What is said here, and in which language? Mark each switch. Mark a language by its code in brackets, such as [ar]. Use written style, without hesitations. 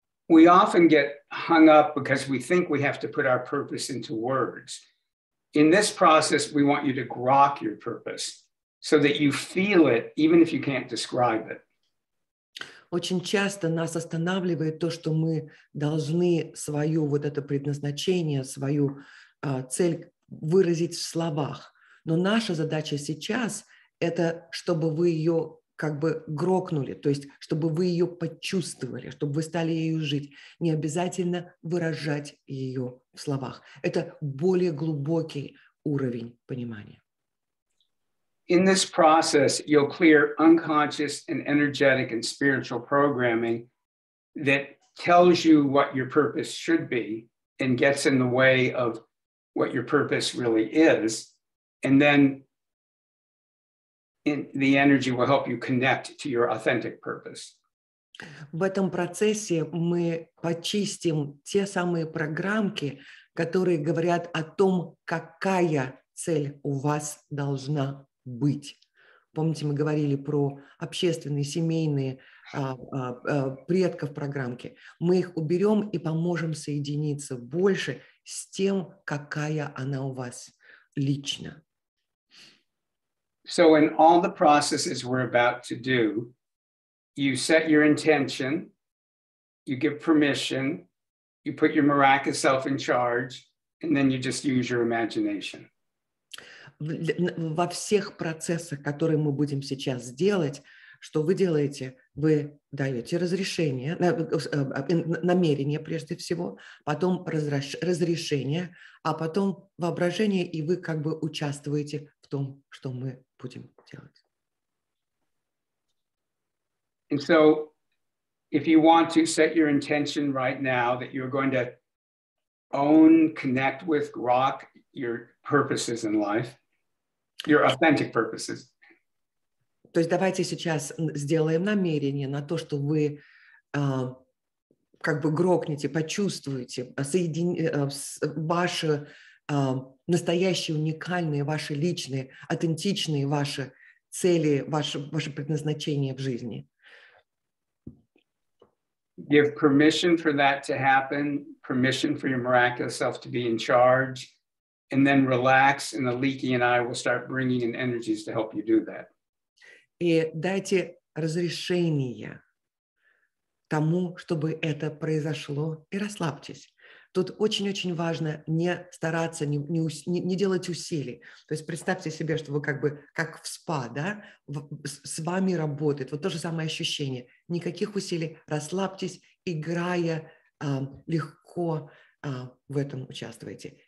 [en] We often get hung up because we think we have to put our purpose into words. In this process, we want you to grok your purpose so that you feel it, even if you can't describe it. [ru] Очень часто нас останавливает то, что мы должны свое вот это предназначение, свою цель выразить в словах. Но наша задача сейчас – это чтобы вы ее как бы грокнули, то есть чтобы вы ее почувствовали, чтобы вы стали ею жить. Не обязательно выражать ее в словах. Это более глубокий уровень понимания. [en] In this process, you'll clear unconscious and energetic and spiritual programming that tells you what your purpose should be and gets in the way of what your purpose really is. And then the energy will help you connect to your authentic purpose. [ru] В этом процессе мы почистим те самые программки, которые говорят о том, какая цель у вас должна быть. Быть. Помните, мы говорили про общественные, семейные предков программки. Мы их уберем и поможем соединиться больше с тем, какая она у вас лично. [en] So in all the processes we're about to do, you set your intention, you give permission, you put your miraculous self in charge, and then you just use your imagination. [ru] Во всех процессах, которые мы будем сейчас делать, что вы делаете? Вы даете разрешение, намерение прежде всего, потом разрешение, а потом воображение, и вы как бы участвуете в том, что мы будем делать. [en] And so, if you want to set your intention right now that you're going to own, connect with, rock your purposes in life, your authentic purposes. [ru] То есть давайте сейчас сделаем намерение на то, что вы как бы грокнете, почувствуете ваши настоящие, уникальные, ваши личные, аутентичные ваши цели, ваше предназначение в жизни. [en] Give permission for that to happen, permission for your miraculous self to be in charge. And then relax, and Aliki and I will start bringing in energies to help you do that. [ru] И дайте разрешение тому, чтобы это произошло, и расслабьтесь. Тут очень-очень важно не стараться, не делать усилий. То есть представьте себе, что вы как бы как в спа, да, с вами работает. Вот то же самое ощущение. Никаких усилий, расслабьтесь, играя, легко в этом участвуйте.